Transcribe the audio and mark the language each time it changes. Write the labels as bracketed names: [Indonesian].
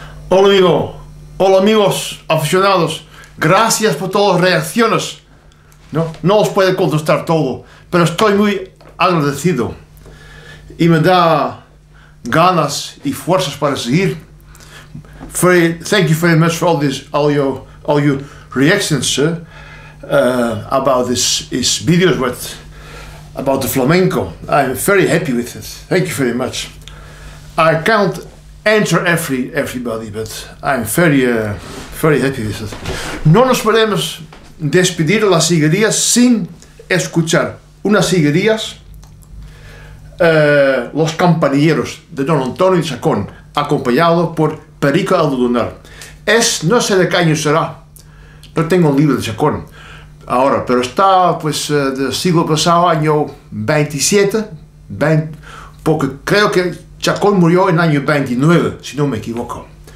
[Spanish] Hola amigo, hola amigos aficionados, gracias por todas las reacciones. No os puedo contestar todo, pero estoy muy agradecido y me da ganas y fuerzas para seguir. [English] Thank you very much for all your reactions about this videos about the flamenco. I'm very happy with it. Thank you very much. I can't enter everybody, but I'm very happy with it. [Spanish] No nos podemos despedir las siguerías sin escuchar unas siguerías, Los Campanilleros de Don Antonio y Chacón, acompañado por Perico Aldunar. No sé de qué año será, no tengo un libro de Chacón ahora, pero está pues del siglo pasado, año 27, 20, porque creo que Chacón murió en el año 29, si no me equivoco.